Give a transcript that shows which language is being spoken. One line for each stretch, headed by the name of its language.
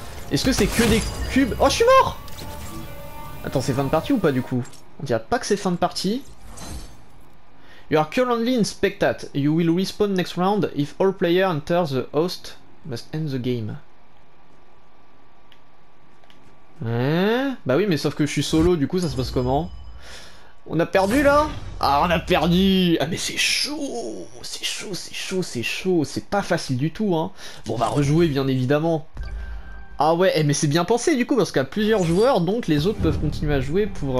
French: Est-ce que c'est que des cubes? Oh, je suis mort! Attends, c'est fin de partie ou pas du coup? On dirait pas que c'est fin de partie.
English: You are currently in spectat. You will respawn next round if all player enter the host must end the game.
French: Hein? Bah oui, mais sauf que je suis solo, du coup ça se passe comment? On a perdu là? Ah, on a perdu! Ah mais c'est chaud! C'est chaud! C'est pas facile du tout, hein. Bon, on va rejouer, bien évidemment. Ah ouais, mais c'est bien pensé, du coup, parce qu'il y a plusieurs joueurs, donc les autres peuvent continuer à jouer pour...